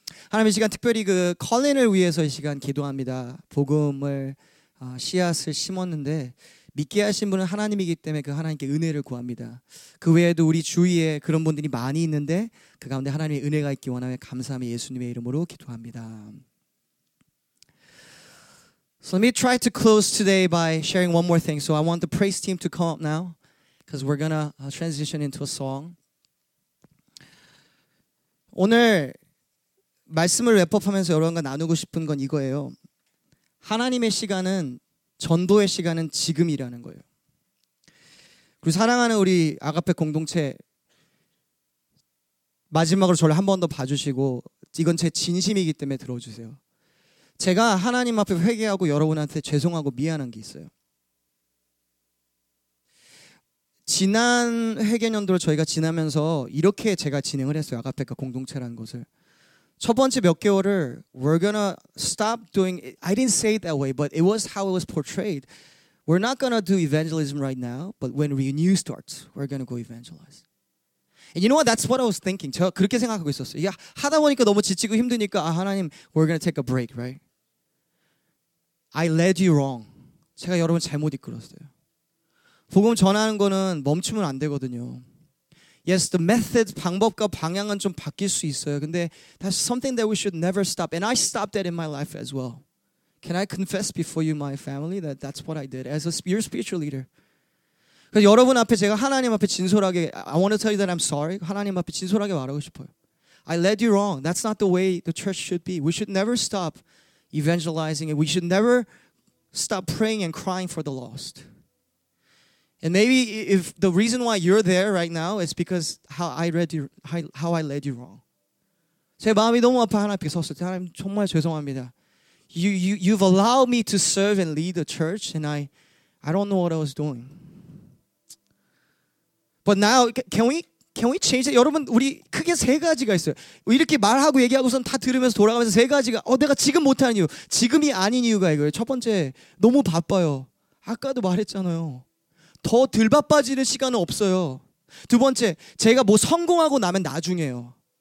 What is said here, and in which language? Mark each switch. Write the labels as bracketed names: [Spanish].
[Korean] 하나님 이 시간 특별히 그 컬린을 위해서 이 시간 기도합니다. 복음을 씨앗을 심었는데 믿게 하신 분은 하나님이기 때문에 그 하나님께 은혜를 구합니다. 그 외에도 우리 주위에 그런 분들이 많이 있는데 그 가운데 하나님의 은혜가 있기 원하며 감사함이 예수님의 이름으로 기도합니다. [English] So let me try to close today by sharing one more thing. So I want the praise team to come up now because we're going to transition into a song. [Korean] 오늘 말씀을 랩업하면서 여러분과 나누고 싶은 건 이거예요. 하나님의 시간은 전도의 시간은 지금이라는 거예요. 그리고 사랑하는 우리 아가페 공동체 마지막으로 저를 한 번 더 봐주시고 이건 제 진심이기 때문에 들어주세요. 제가 하나님 앞에 회개하고 여러분한테 죄송하고 미안한 게 있어요. 지난 회개년도를 저희가 지나면서 이렇게 제가 진행을 했어요. 아가페가 공동체라는 것을. 첫 번째 몇 개월을 [English] we're gonna stop doing it. I didn't say it that way, but it was how it was portrayed. We're not gonna do evangelism right now, but when renew starts, we're gonna go evangelize. And you know what? That's what I was thinking. [Korean] 제가 그렇게 생각하고 있었어요. 야, 하다 보니까 너무 지치고 힘드니까 아 하나님, [English] we're going to take a break, right? I led you wrong. [Korean] 제가 여러분 잘못 이끌었어요. 복음 전하는 거는 멈추면 안 되거든요. [English] Yes, the method, [Korean] 방법과 방향은 좀 바뀔 수 있어요. [English] 근데 that's something that we should never stop. And I stopped that in my life as well. Can I confess before you, my family, that that's what I did as your spiritual leader? [Korean] 그래서 여러분 앞에 제가 하나님 앞에 진솔하게 [English] I want to tell you that I'm sorry. [Korean] 하나님 앞에 진솔하게 말하고 싶어요. [English] I led you wrong. That's not the way the church should be. We should never stop evangelizing. We should never stop praying and crying for the lost. And maybe if the reason why you're there right now is because how I led you wrong. [Korean] 제 마음이 너무 아파 하나님 앞에 섰을 때 하나님 정말 죄송합니다. [English] You've allowed me to serve and lead the church and I don't know what I was doing. But now, can we change it? [Korean] 여러분, 우리 크게 세 가지가 있어요. 이렇게 말하고 얘기하고선 다 들으면서 돌아가면서 세 가지가 내가 지금 못하는 이유, 지금이 아닌 이유가 이거예요. 첫 번째, 너무 바빠요. 아까도 말했잖아요. 더 덜 바빠지는 시간은 없어요. 두 번째, 제가 뭐 성공하고 나면 나중에요.